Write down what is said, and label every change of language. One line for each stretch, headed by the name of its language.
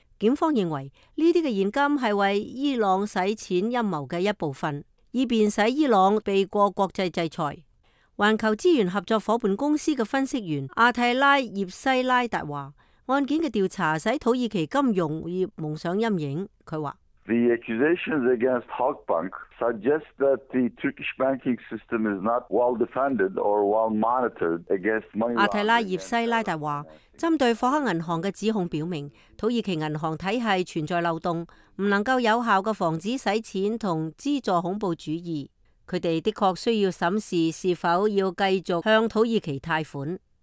Cantonese: 警方认为这些现金是为伊朗洗钱阴谋的一部分，以便使伊朗避过国际制裁。环球资源合作伙伴公司的分析员阿蒂拉叶西拉达说，案件的调查使土耳其金融业蒙上阴影。他说
English: The accusations against Halk Bank suggest that the Turkish banking system is not well defended or well monitored against money laundering。
Cantonese: 阿蒂拉叶西拉达说，针对霍克银行的指控表明土耳其银行体系存在漏洞，不能够有效的防止洗钱和资助恐怖主义。他们的确需要审视是否要继续向土耳其贷款。